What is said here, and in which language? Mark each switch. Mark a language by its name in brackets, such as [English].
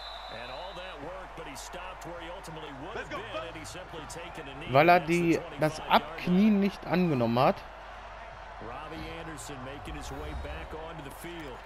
[English] And all that work, but he stopped where he ultimately would have been, and he simply taken a knee. [German] Weil er das Abknien nicht angenommen hat. [English] Robbie Anderson making his way back onto the field.